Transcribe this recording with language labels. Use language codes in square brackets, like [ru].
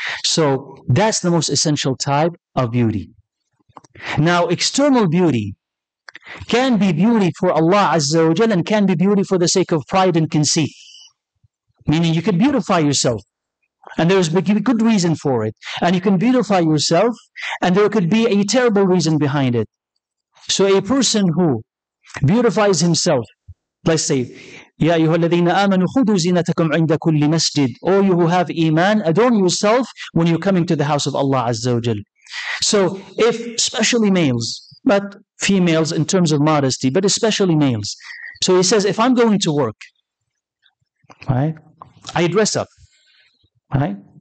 [en] So that's the most essential type of beauty. Now, external beauty can be beauty for Allah Azza wa Jal and can be beauty for the sake of pride and conceit. Meaning you can beautify yourself and there's a good reason for it. And you can beautify yourself and there could be a terrible reason behind it. So a person who beautifies himself, let's say, [ar] يَا أَيُّهَا الَّذِينَ آمَنُوا خُذُوا زِينَتَكُمْ عِنْدَ كُلِّ مَسْجِدٍ. [en] All you who have iman, adorn yourself when you're coming to the house of Allah Azza wa Jal. So if, especially males, but females in terms of modesty, but especially males. So he says, if I'm going to work, right, I dress up, right?